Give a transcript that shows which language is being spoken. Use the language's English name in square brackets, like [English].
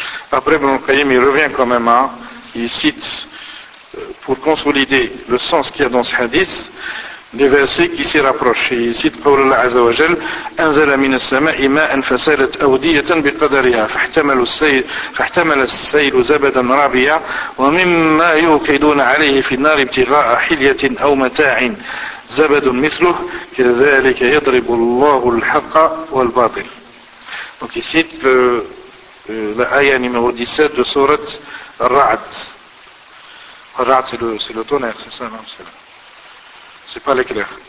[French] Après, Ibn Qayyim, il revient quand même il cite, pour consolider le sens qu'il y a dans ce hadith, des versets qui s'y rapprochent. Il cite, [Arabic] قول الله عز وجل, أنزل من السماء ماء فسالت أودية بقدرها فاحتمل السيل زبدا رابيا ومما يوقدون عليه في النار ابتغاء حلية أو متاع زبد مثله كذلك يضرب الله الحق والباطل. [French] Donc il cite la ayah numéro 17 de surat Ra'd. Ra'd, c'est le tonnerre, c'est ça, non? C'est pas l'éclair.